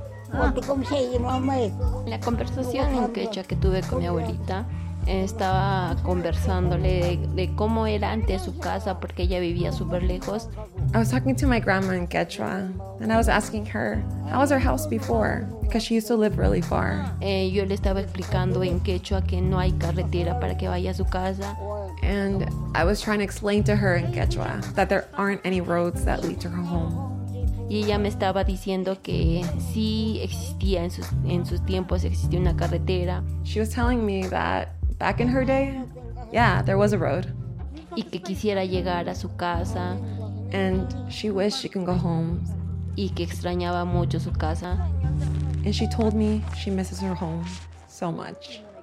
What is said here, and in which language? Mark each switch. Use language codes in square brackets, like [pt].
[es] La conversación en quechua que tuve con mi abuelita, estaba conversándole de cómo era antes su casa porque ella vivía súper lejos. [en] I was talking to my grandma in Quechua and I was asking her, how was her house before? Because she used to live really far. [es] Yo le estaba explicando en Quechua que no hay carretera para que vaya a su casa. [en] And I was trying to explain to her in Quechua that there aren't any roads that lead to her home. [es] Y ella me estaba diciendo que sí existía en sus tiempos, existía una carretera. [en] She was telling me that back in her day, yeah, there was a road. [es] Y que quisiera llegar a su casa. [en] And she wished she can go home. [es] Y que extrañaba mucho su casa. [en] And she told me she misses her home so much.